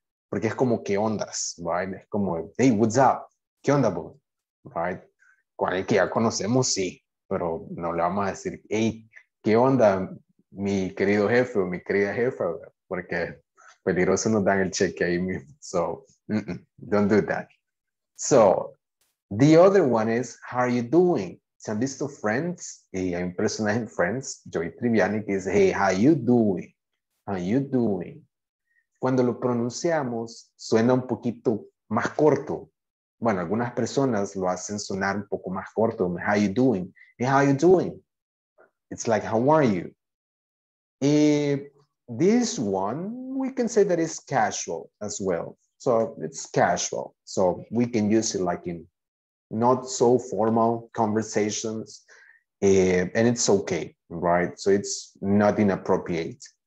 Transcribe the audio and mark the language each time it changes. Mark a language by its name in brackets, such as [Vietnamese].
[Spanish] porque es como qué ondas, right? Es como, hey, [English] what's up? [Spanish] ¿Qué onda, bro? Right? ¿Cuál es que ya conocemos? Sí, pero no le vamos a decir, hey, ¿qué onda, mi querido jefe o mi querida jefa? Porque peligroso nos dan el cheque ahí mismo. [English] So, don't do that. So, the other one is, how are you doing? [Spanish] ¿Se han visto Friends? Y hay un personaje en Friends, Joey Triviani, que dice, [English] hey, how you doing? [Spanish] How you doing? Cuando lo pronunciamos, suena un poquito más corto. Bueno, algunas personas lo hacen sonar un poco más corto. [English] How you doing? Hey, how you doing? It's like, how are you? This one, we can say that it's casual as well. So it's casual. So we can use it like in not so formal conversations. And it's okay, right? So it's not inappropriate.